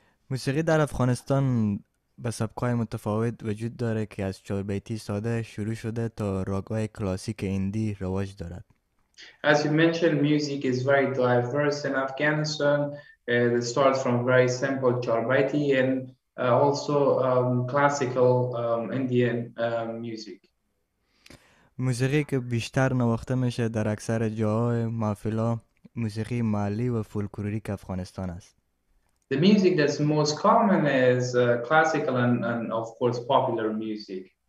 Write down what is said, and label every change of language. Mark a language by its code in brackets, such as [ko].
[fa] موسیقی در افغانستان به سبکای متفاوت وجود داره که از چاربیتی ساده شروع شده تا راگای کلاسیک ایندی رواج دارد. [en] As you mentioned, music is very diverse in Afghanistan. It starts from very simple charbaiti and also classical Indian music. [fa] موسیقی که بیشتر نواخته میشه در اکثر جاهای محفلا موسیقی محلی و فولکلوریک افغانستان است. [en] The music that's most common is classical and of course popular music.